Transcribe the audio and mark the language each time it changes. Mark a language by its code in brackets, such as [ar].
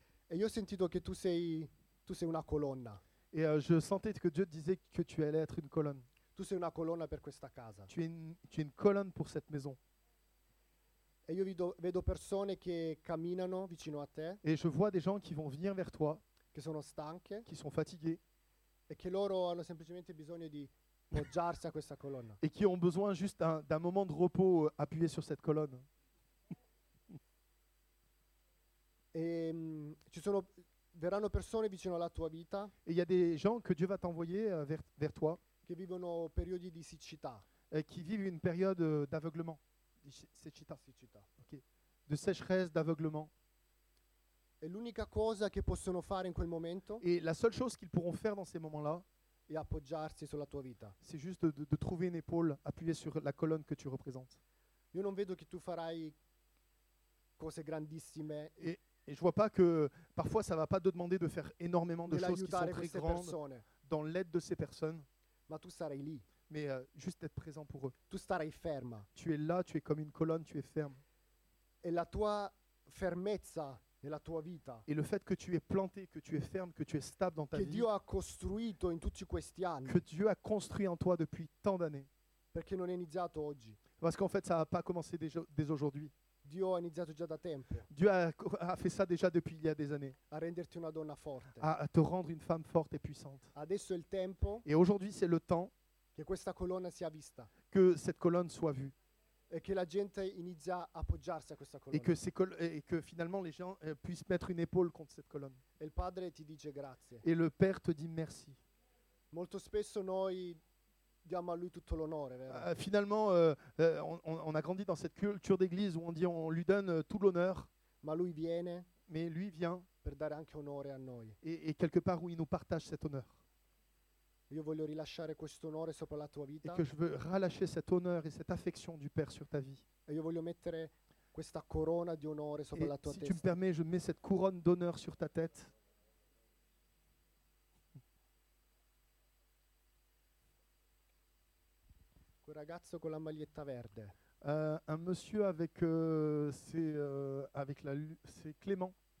[it] Et io ho sentito che tu sei una colonna. [fr] Et je sentais que Dieu disait que tu allais être une colonne. [it] Tu sei una colonna per questa casa. [fr] Tu es une colonne pour cette maison. [it] Et io vedo persone che camminano vicino a te. [fr] Et je vois des gens qui vont venir vers toi. [it] Che sono stanche. [fr] Qui sont fatigués. [it] E che loro hanno semplicemente bisogno di poggiarsi a questa colonna. [fr] Et qui ont besoin juste d'un moment de repos appuyé sur cette colonne. [it] Et ci sono verranno persone vicino alla tua vita. [fr] Et il y a des gens que Dieu va t'envoyer vers toi. [it] Che vivono periodi di siccità. [fr] Qui vivent une période d'aveuglement. [it] Siccità. Okay. [fr] De sécheresse, d'aveuglement. [it] E l'unica cosa che possono fare in quel momento? [fr] Et la seule chose qu'ils pourront faire dans ces moments-là? [it] È appoggiarsi sulla tua vita. [fr] C'est juste de trouver une épaule appuyée sur la colonne que tu représentes. [it] Io non vedo che tu farai cose grandissime. [fr] Et je vois pas que parfois ça va pas te demander de faire énormément de choses qui sont très grandes. [it] Persone. [fr] Dans l'aide de ces personnes. [it] Ma tu sarai lì. [fr] Mais juste être présent pour eux. [it] Tu starai ferma. [fr] Tu es là, tu es comme une colonne, tu es ferme. [it] E la tua fermezza nella tua vita. [fr] Et le fait que tu es planté, que tu es ferme, que tu es stable dans ta [it] che [fr] vie. [it] Che Dio ha costruito in tutti questi anni. [fr] Que Dieu a construit en toi depuis tant d'années. [it] Perché non è iniziato oggi. [fr] Parce qu'en fait, ça n'a pas commencé dès aujourd'hui. [it] Dio ha iniziato già da tempo. [fr] Dieu a fait ça déjà depuis il y a des années. [it] A renderti una donna forte. [fr] À te rendre une femme forte et puissante. [it] Adesso è il tempo. [fr] Et aujourd'hui, c'est le temps. [it] Che questa colonna sia vista. [fr] Que cette colonne soit vue. [it] E che la gente inizia a appoggiarsi a questa colonna. [fr] Et que finalement les gens puissent mettre une épaule contre cette colonne. [it] E il padre ti dice grazie. [fr] Et le père te dit merci. [it] Molto spesso noi diamo a lui tutto l'onore, vero? [fr] Finalement on a grandi dans cette culture d'église où on dit on lui donne tout l'honneur. [it] Ma lui viene. [fr] Mais lui vient. [it] Per dare anche onore a noi. [fr] Et quelque part où il nous partage cet honneur. [it] Io voglio rilasciare questo onore sopra la tua vita. [fr] Et que je veux relâcher cet honneur et cette affection du Père sur ta vie. [it] E io voglio mettere questa corona di onore sopra [fr] et [it] la tua [fr] si [it] testa. [fr] Si tu me permets, je mets cette couronne d'honneur sur ta tête. [it] Quel ragazzo con la maglietta verde. [fr] Un monsieur avec c'est Clément.